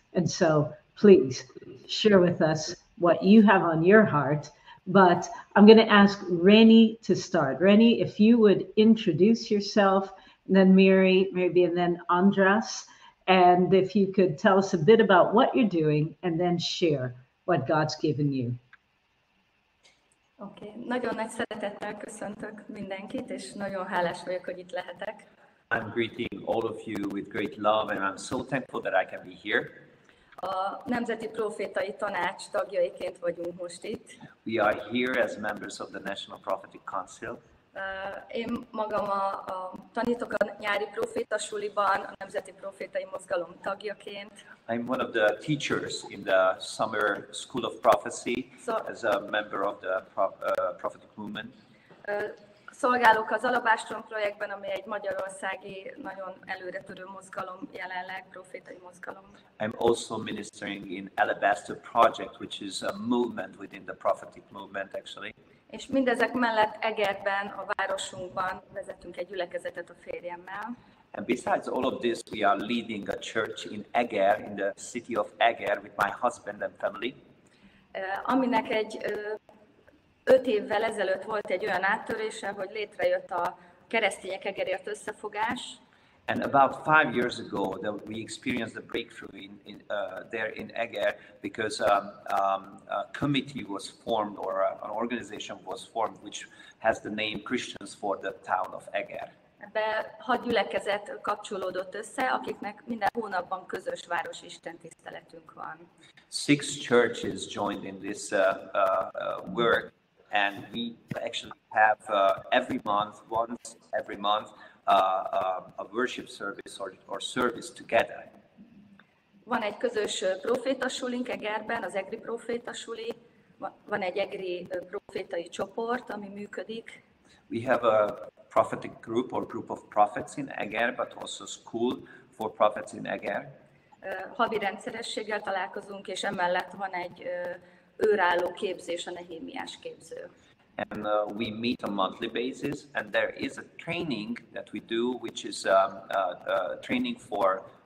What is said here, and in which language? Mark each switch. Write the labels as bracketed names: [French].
[English] And so please share with us what you have on your heart. But I'm going to ask Reni to start. Reni, if you would introduce yourself, and then Mary, maybe, and then András. And if you could tell us a bit about what you're doing and then share what God's given you. [Hungarian] Okay, nagyon nagy szeretettel köszöntök mindenkit, és nagyon hálás vagyok, hogy itt lehetek. [English] I'm greeting all of you with great love, and I'm so thankful that I can be here. [Hungarian] A Nemzeti Prófétai Tanács tagjaiként vagyunk most itt. [English] We are here as members of the National Prophetic Council. [Hungarian] Én magam tanítok a nyári prófétasuliban, a Nemzeti Prófétai Mozgalom tagjaként. [English] I'm one of the teachers in the Summer School of Prophecy, so, as a member of the prophetic movement. [Hungarian] Szolgálok az Alabástrom projektben, ami egy magyarországi nagyon előretörő mozgalom jelenleg, prófétai mozgalom. [English] I'm also ministering in Alabaster Project, which is a movement within the prophetic movement, actually. [Hungarian] És mindezek mellett Egerben, a városunkban vezetünk egy gyülekezetet a férjemmel. [English] And besides all of this, we are leading a church in Eger, in the city of Eger, with my husband and family. [Hungarian] Aminek egy 5 évvel ezelőtt volt egy olyan áttörése, hogy létrejött a keresztények Egerért összefogás. [English] And about 5 years ago, that we experienced a breakthrough there in Eger, because a committee was formed, or an organization was formed, which has the name Christians for the town of Eger. [Hungarian] Ebbe 6 gyülekezet kapcsolódott össze, akiknek minden hónapban közös város Isten tiszteletünk van. [English] 6 churches joined in this work, and we actually have once every month. A worship service or service together. [Hungarian] Van egy közös prófétasulink Egerben, az Egri prófétasuli. Van egy Egri prófétai csoport, ami működik. [English] We have a prophetic group or group of prophets in Eger, but also school for prophets in Eger. [Hungarian] Havi rendszerességgel találkozunk, és emellett van egy őrálló képzés, a Nehémiás képző. [English] And we meet on a monthly basis, and there is a training that we do, which is training for